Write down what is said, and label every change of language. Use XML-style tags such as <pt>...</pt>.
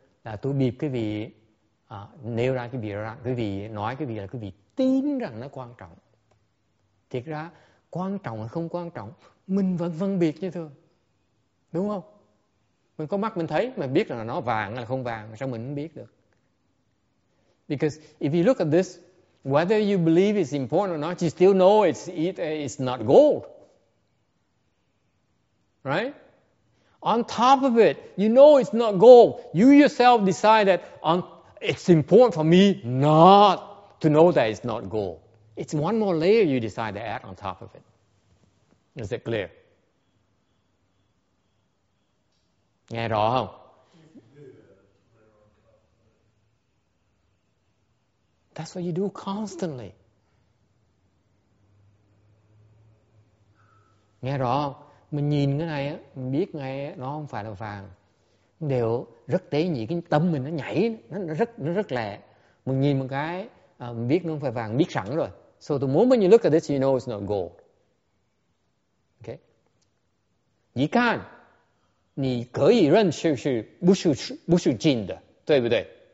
<vi>Là tôi bịp cái vị, nêu ra cái vị ra, quý vị nói cái vị là quý vị tin rằng nó quan trọng. Thiệt ra, quan trọng hay không quan trọng, mình vẫn phân biệt như thường. Đúng không? Mình có mắt mình thấy, mình biết là nó vàng hay là không vàng, sao mình không biết được?</vi> <en>Because if you look at this, whether you believe it's important or not, you still know it's not gold. Right? On top of it, you know it's not gold. You yourself decide that it's important for me not to know that it's not gold. It's one more layer you decide to add on top of it. Is it clear?</en> <vi>Nghe rõ không?</vi> <en>That's what you do constantly.</en> <vi>Nghe rõ không? Mình nhìn cái này á, mình biết ngay á, nó không phải là vàng. Đều rất tế nhị, cái tâm mình nó nhảy, nó rất lẹ. Mình nhìn một cái, mình biết nó không phải vàng, biết sẵn rồi.</vi> <en>So the moment you look at this, you know it's not gold. Okay?</en> <zh>你看, 你可以认识是不是金的, 对不对?</zh>